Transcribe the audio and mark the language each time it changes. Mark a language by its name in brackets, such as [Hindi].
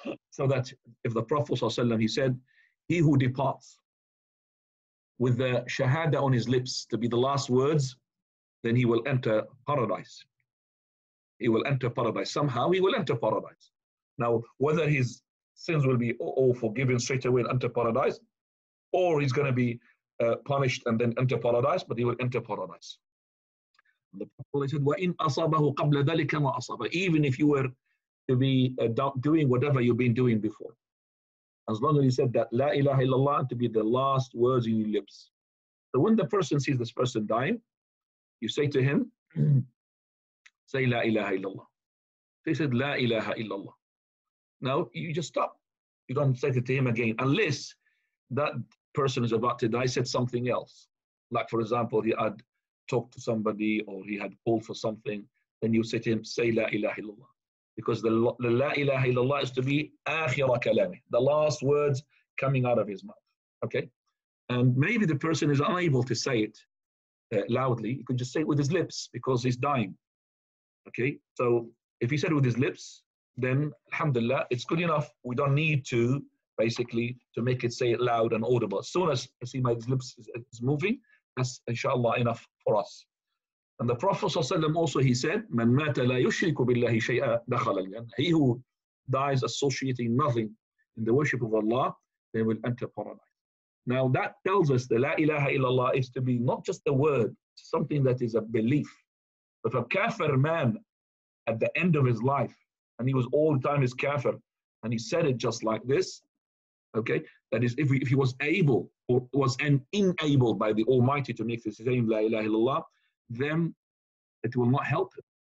[English] So that if the Prophet ﷺ, he said, he who departs with the shahada on his lips to be the last words, then he will enter paradise. He will enter paradise. Somehow he will enter paradise. Now, whether his sins will be all forgiven straight away and enter paradise, or he's going to be punished and then enter paradise, but he will enter paradise. The Prophet said, [Arabic] وَإِنْ أَصَابَهُ قَبْلَ ذَلِكَ مَا أَصَابَ. [English] Even if you were to be doing whatever you've been doing before. As long as he said that, La ilaha illallah, to be the last words in your lips. So when the person sees this person dying, you say to him, say La ilaha illallah. So he said, La ilaha illallah. Now you just stop. You don't say it to him again, unless that person is about to die, said something else. Like for example, he had talked to somebody or he had called for something, then you say to him, say La ilaha illallah. Because the La ilaha illallah is to be [Arabic] akhira kalami, [English] the last words coming out of his mouth. Okay? And maybe the person is unable to say it loudly. He could just say it with his lips because he's dying. Okay? So if he said it with his lips, then alhamdulillah, it's good enough. We don't need to basically to make it say it loud and audible. As soon as I see my lips is moving, that's inshallah enough for us. And the Prophet ﷺ also, he said, [Arabic] مَنْ مَاتَ لَا يُشْرِكُ بِاللَّهِ شَيْئًا دَخَلَ الْجَنَّةِ. [English] He who dies associating nothing in the worship of Allah, they will enter paradise. Now that tells us the La ilaha illallah is to be not just a word, something that is a belief. If a kafir man at the end of his life, and he was all the time his kafir, and he said it just like this, okay, that is if he was able, or was enabled by the Almighty to make this same La ilaha illallah, then it will not help him.